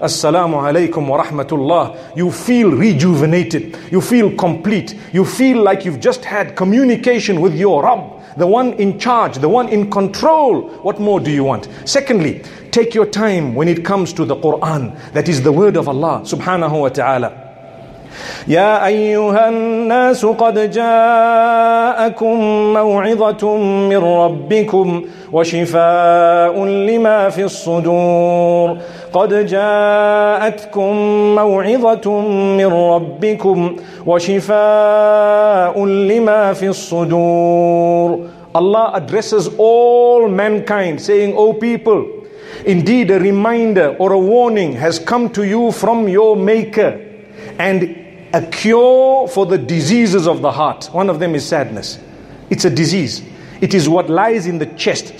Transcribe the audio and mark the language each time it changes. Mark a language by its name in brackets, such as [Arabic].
[English] Assalamu alaykum wa rahmatullah. You feel rejuvenated. You feel complete. You feel like you've just had communication with your Rabb, the one in charge, the one in control. What more do you want? Secondly, take your time when it comes to the Quran, that is the word of Allah subhanahu wa ta'ala. [Arabic] يا أيها الناس قد جاءكم موعظة من ربكم وشفاء لما في الصدور قد جاءتكم موعظة من ربكم وشفاء لما في الصدور. [English] Allah addresses all mankind saying, O people, indeed a reminder or a warning has come to you from your Maker and a cure for the diseases of the heart. One of them is sadness. It's a disease. It is what lies in the chest.